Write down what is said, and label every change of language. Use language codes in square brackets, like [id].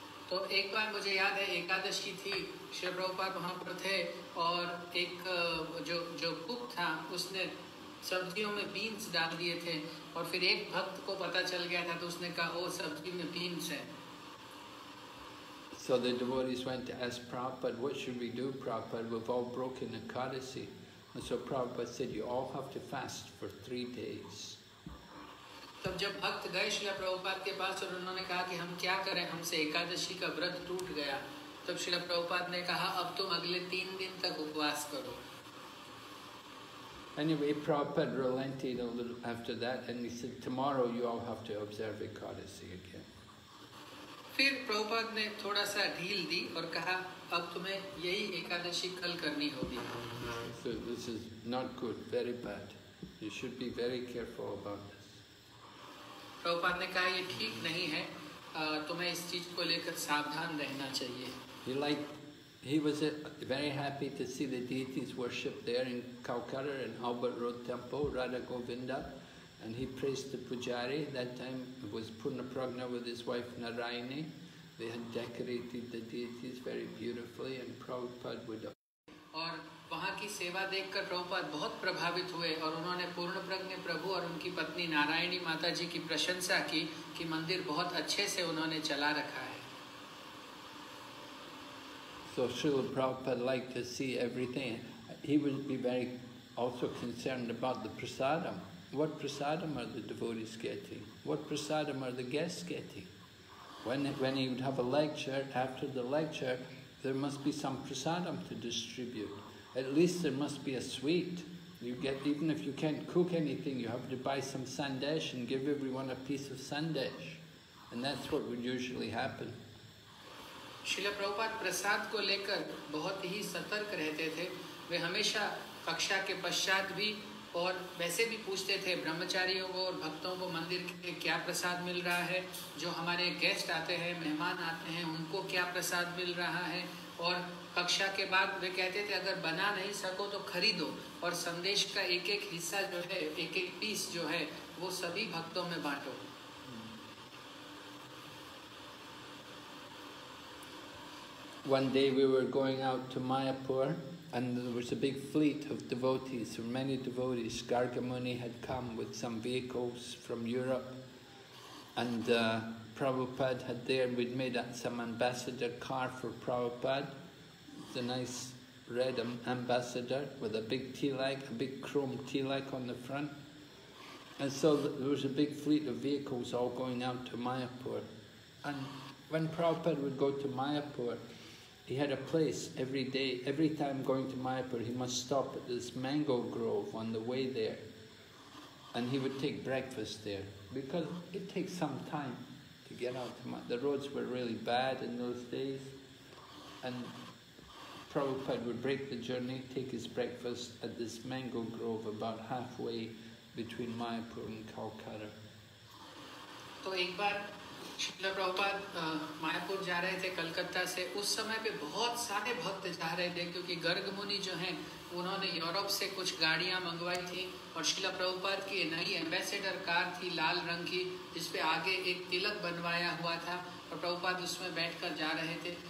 [hi] तो एक बार मुझे याद है एकादशी थी, श्री प्रभुपाद वहाँ पर थे और एक जो कुक था उसने सब्जियों में बीन्स डाल दिए थे, और फिर एक भक्त को पता चल गया था तो उसने कहा ओ सब्जी में बीन्स है। [en] So the devotees went to ask Prabhupada, what should we do, Prabhupada? We've all broken ekadasi. And so Prabhupada said, you all have to fast for 3 days. [hi] तब जब भक्त गए श्रील प्रभुपाद के पास और उन्होंने कहा कि हम क्या करें, हमसे एकादशी का व्रत टूट गया, तब श्रील प्रभुपाद ने कहा अब तुम अगले 3 दिन तक उपवास करो। [en] Anyway, Prabhupada relented a little after that and he said, tomorrow you all have to observe Ekadasi again. [hi] फिर प्रभुपाद ने थोड़ा सा ढील दी और कहा अब तुम्हें यही एकादशी कल करनी होगी। [en] So this is not good, very bad. You should be very careful about this. [hi] Prabhupada ने कहा ये ठीक नहीं है, तुम्हें इस चीज को लेकर सावधान रहना चाहिए। [en] He was very happy to see the deities worshipped there in Calcutta in Albert Road Temple, Radha Govinda, and he praised the pujari. That time it was Purna Pragna with his wife Narayani. They had decorated the deities very beautifully, and Prabhupada would. [hi] और वहाँ की सेवा देखकर प्रभुपाद बहुत प्रभावित हुए और उन्होंने पूर्ण प्रज्ञ प्रभु और उनकी पत्नी नारायणी माता जी की प्रशंसा की कि मंदिर बहुत अच्छे से उन्होंने चला रखा है। [en] So Srila Prabhupada liked to see everything. He would be very also concerned about the prasadam. What prasadam are the devotees getting? What prasadam are the guests getting? When he would have a lecture, after the lecture, there must be some prasadam to distribute. At least there must be a sweet. You get, even if you can't cook anything, you have to buy some sandesh and give everyone a piece of sandesh. And that's what would usually happen. [hi] Srila Prabhupada प्रसाद को लेकर बहुत ही सतर्क रहते थे। वे हमेशा कक्षा के पश्चात भी और वैसे भी पूछते थे ब्रह्मचारियों को और भक्तों को मंदिर के लिए क्या प्रसाद मिल रहा है, जो हमारे गेस्ट आते हैं, मेहमान आते हैं, उनको क्या प्रसाद मिल रहा है, और कक्षा के बाद वे कहते थे अगर बना नहीं सको तो खरीदो, और संदेश का एक एक हिस्सा जो है, एक एक पीस जो है वो सभी भक्तों में बांटो। [en] One day we were going out to Mayapur and there was a big fleet of devotees, or many devotees. Garga Muni had come with some vehicles from Europe, and Prabhupada had there, we'd made some ambassador car for Prabhupada. The nice red ambassador with a big tilak, a big chrome tilak on the front. And so there was a big fleet of vehicles all going out to Mayapur. And when Prabhupada would go to Mayapur, he had a place every day, every time going to Mayapur, he must stop at this mango grove on the way there. And he would take breakfast there, because it takes some time to get out to Mayapur. The roads were really bad in those days. And Prabhupada would break the journey, take his breakfast at this mango grove about halfway between Mayapur and Calcutta. [hi] तो एक बार श्रीला प्रभुपाद मायापुर जा रहे थे कलकत्ता से, उस समय पे बहुत सारे भक्त जा रहे थे क्योंकि गर्ग मुनि जो हैं उन्होंने यूरोप से कुछ गाड़ियां मंगवाई थी और श्रीला प्रभुपाद की नई एम्बेसडर कार थी लाल रंग की जिसपे आगे एक तिलक बनवाया हुआ था और प्रभुपाद उसमें बैठकर जा रहे थे।